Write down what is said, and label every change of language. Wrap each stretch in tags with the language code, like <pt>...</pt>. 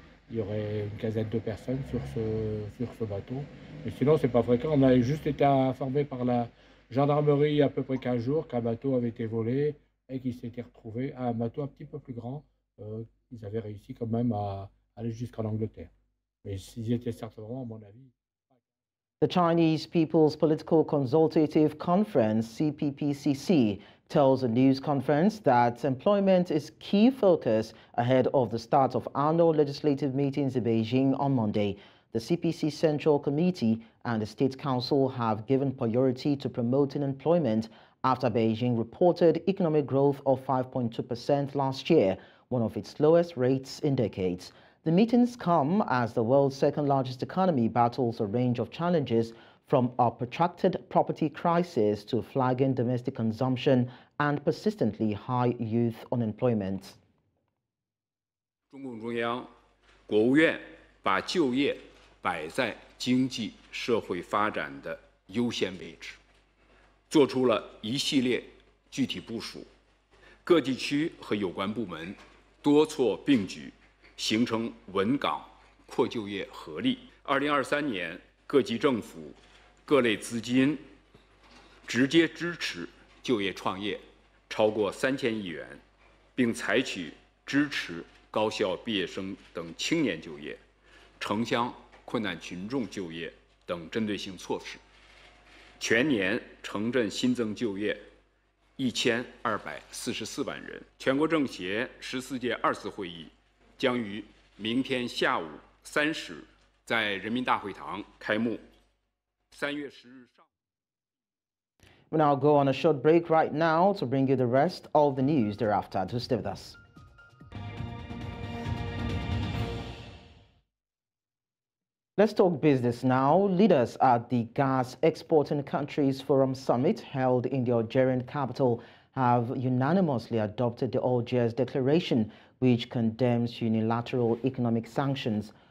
<fr>Il y aurait une quinzaine de personnes sur ce bateau. Mais sinon, ce n'est pas fréquent. On a juste été informé par la gendarmerie il y a à peu près 15 jours qu'un bateau avait été volé et qu'il s'était retrouvé à un bateau un petit peu plus grand. Ils avaient réussi quand même à aller jusqu'en Angleterre. Mais ils étaient certainement, à mon avis...</fr> <en>The Chinese People's Political Consultative Conference, CPPCC, tells a news conference that employment is key focus ahead of the start of annual legislative meetings in Beijing on Monday. The CPC Central Committee and the State Council have given priority to promoting employment after Beijing reported economic growth of 5.2% last year, one of its lowest rates in decades. The meetings come as the world's second largest economy battles a range of challenges from a protracted property crisis to flagging domestic consumption and persistently high youth unemployment.</en> <zh>(中共中央、国务院把就业摆在经济社会发展的优先位置，做出了一系列具体部署，各地区和有关部门) 多措并举，形成稳岗扩就业合力。 2023年各级政府、各类资金直接支持就业创业超过3000亿元，并采取支持高校毕业生等青年就业、城乡困难群众就业等针对性措施，全年城镇新增就业 1244人。全国政协14届二次会议将于明天下午3时在人民大会堂开幕。3月10日上。</zh> <en>We now go on a short break right now to bring you the rest of the news thereafter. Do stay with us. Let's talk business now. Leaders at the Gas Exporting Countries Forum Summit held in the Algerian capital have unanimously adopted the Algiers Declaration, which condemns unilateral economic sanctions.</en>